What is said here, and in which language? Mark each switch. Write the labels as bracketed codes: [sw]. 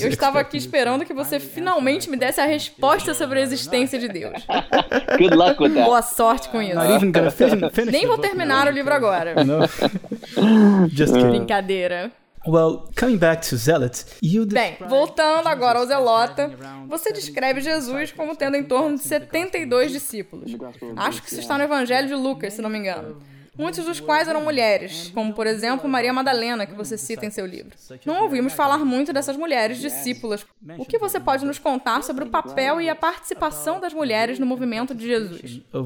[pt] Eu estava aqui esperando que você finalmente me desse a resposta sobre a existência de Deus. [en] Good luck with that. [pt] Boa sorte com isso. Nem vou terminar o livro agora. [en] Just kidding. [pt] Brincadeira. [en] Well, coming back to Zealots, you describe... [pt] Bem, voltando agora ao Zelota, você descreve Jesus como tendo em torno de 72 discípulos. Acho que isso está no Evangelho de Lucas, se não me engano. Muitos dos quais eram mulheres, como, por exemplo, Maria Madalena, que você cita em seu livro. Não ouvimos falar muito dessas mulheres discípulas. O que você pode nos contar sobre o papel e a participação das mulheres no movimento de Jesus?